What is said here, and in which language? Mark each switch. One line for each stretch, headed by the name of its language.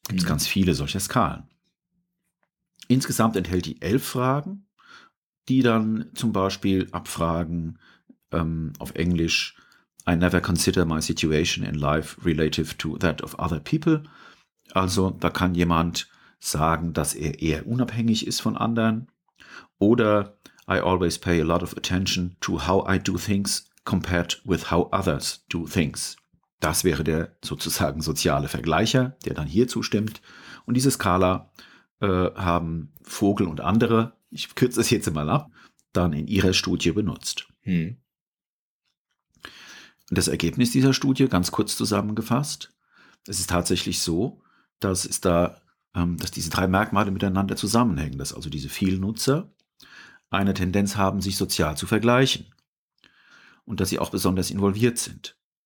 German: Gibt es ganz viele solcher Skalen. Insgesamt enthält die 11 Fragen, die dann zum Beispiel abfragen, auf Englisch,
English: I never consider my situation in life relative to that of other people.
German: Also da kann jemand sagen, dass er eher unabhängig ist von anderen.
English: Oder I always pay a lot of attention to how I do things compared with how others do things.
German: Das wäre der sozusagen soziale Vergleicher, der dann hier zustimmt. Und diese Skala haben Vogel und andere, ich kürze es jetzt mal ab, dann in ihrer Studie benutzt. Das Ergebnis dieser Studie, ganz kurz zusammengefasst, es ist tatsächlich so, dass diese drei Merkmale miteinander zusammenhängen, dass also diese Vielnutzer eine Tendenz haben, sich sozial zu vergleichen und dass sie auch besonders involviert sind.